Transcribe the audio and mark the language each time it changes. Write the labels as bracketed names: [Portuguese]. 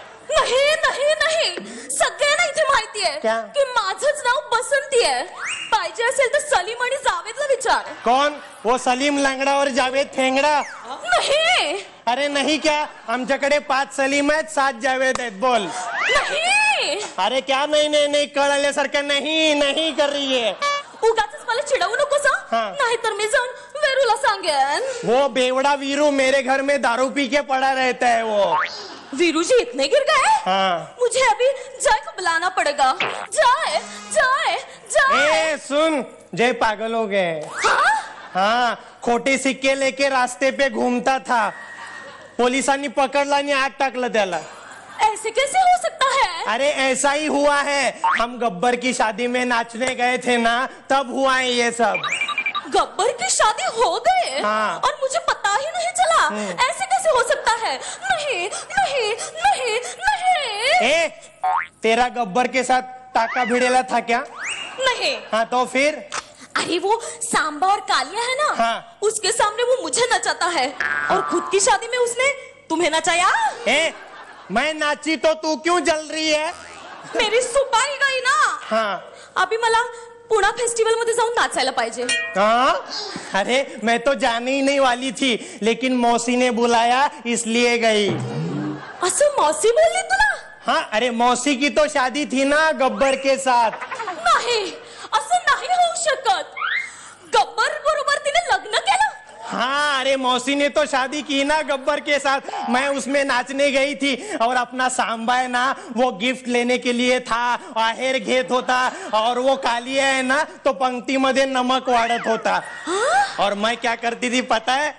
[Hindi] नहीं नहीं नहीं [Marathi] सगळे नाही माहिती आहे कि माझंच नाव बसंती आहे. पाहिजे असेल तर सलीम आणि जावेदला विचार. कोण. [Hindi] वो सलीम लंगडा और जावेद ठेंगडा. [Marathi] नाही. [Hindi] अरे नाही क्या. [Marathi] आमच्याकडे 5 सलीम आहेत 7 जावेद आहेत बोल. नाही. [Hindi] अरे क्या [Marathi] नाही नाही नाही कळल्यासारखं नाही नाही [Hindi] कर रही है. [Marathi] उगाचच मला चिडवू नकोस. नाहीतर मी जाऊन वेरूला सांगेन. [Hindi] वो बेवडा वीरू मेरे घर में दारू पी के पड़ा रहता है वो. वीरू जी इतने गिर गए. हाँ. मुझे अभी जय को बुलाना पड़ेगा. जय जय जय. ए सुन जय पागल हो गए. हाँ खोटे सिक्के लेके रास्ते पे घूमता था, [Marathi] पुलिसानी पकड़ला नी आग टाकला त्याला. [Hindi] ऐसे कैसे हो सकता है. अरे ऐसा ही हुआ है. हम गब्बर की शादी में नाचने गए थे ना तब हुआ है ये सब. गब्बर की शादी हो गए. हाँ. और मुझे पता ही नहीं चला. ऐसे कैसे हो सकता है. नहीं नहीं नहीं नहीं. ए तेरा गब्बर के साथ टाका भिड़ेला था क्या. नहीं. हाँ तो फिर. अरे वो सांबा और कालिया है ना, हाँ। उसके सामने वो मुझे नचाता है और खुद की शादी में उसने तुम्हें नचाया। ए, मैं नाची तो तू क्यों जल रही है? मेरी सुपारी गई ना। हाँ। [Marathi] अभी मला पुणा फेस्टिवल मध्ये जाऊन नाचायला पाहिजे। [Hindi] अरे मैं तो जाने ही नहीं वाली थी, लेकिन मौसी ने बुलाया इसलिए गई। [Marathi] असं मौसी बोलली तुला? [Hindi] हाँ, अरे मौसी की तो शादी थी ना गब्बर के साथ। [Marathi] नहीं, असं नहीं होऊ शकत। गब्बर बरोबर तिने लग्न केलं? [Hindi] हाँ, अरे मौसी ने तो शादी की ना गब्बर के साथ, मैं उसमें नाचने गई थी और अपना सांबा है ना वो गिफ्ट लेने के लिए था, [Marathi] आहेर घेत होता [Hindi] और वो कालिया है ना [Marathi] तो पंक्ति मध्ये नमक वाड़त होता। हा? [Hindi] और मैं क्या करती थी पता है?